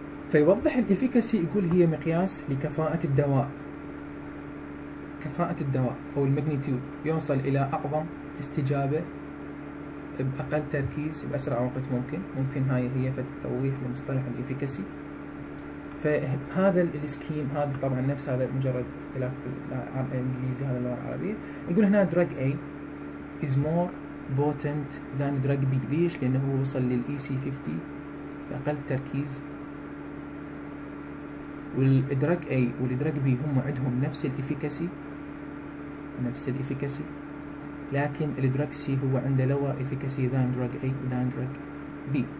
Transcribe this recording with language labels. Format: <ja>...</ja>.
<ar>فيوضح الإفيكاسي يقول هي مقياس لكفاءة الدواء، كفاءة الدواء أو الماجنيتيود، يوصل إلى أعظم استجابة بأقل تركيز بأسرع وقت ممكن. ممكن هاي هي فالتوضيح لمصطلح الإفيكاسي. فهذا السكيم، هذا طبعا نفس هذا مجرد اختلاف الإنجليزي هذا اللغة العربية. يقول هنا</ar> <en>drug A is more potent than drug B.</en> <ar>ليش؟ لأنه وصل للـ EC50 بأقل تركيز، والدرج A والدرج B هم عندهم نفس الإفيكاسي، نفس الإفيكاسي، لكن الدرج C هو عنده</ar> <en>lower efficacy than drug A than drug B.</en>